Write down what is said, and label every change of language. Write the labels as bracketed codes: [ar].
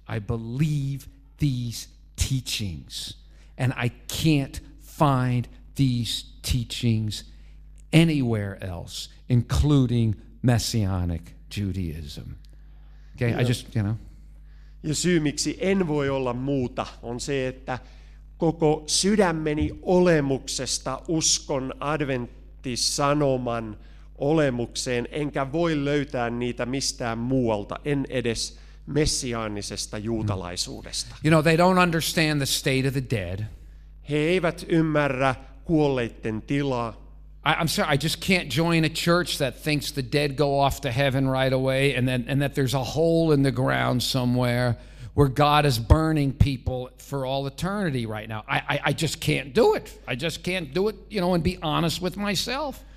[en] I believe these teachings, and I can't find these teachings anywhere else, including Messianic Judaism. Okay, yeah. I just, you know. [fi] Ja syy, miksi en voi olla muuta, on se, että koko sydämeni olemuksesta uskon Adventist-sanoman olemukseen, enkä voi löytää niitä mistään muualta, en edes messiaanisesta juutalaisuudesta. [en] You know, they don't understand the state of the dead. [fi] He eivät ymmärrä kuolleiden tilaa. [en] I'm sorry, I just can't join a church that thinks the dead go off to heaven right away and that there's a hole in the ground somewhere where God is burning people for all eternity right now. I just can't do it. I just can't do it, you know, and be honest with myself.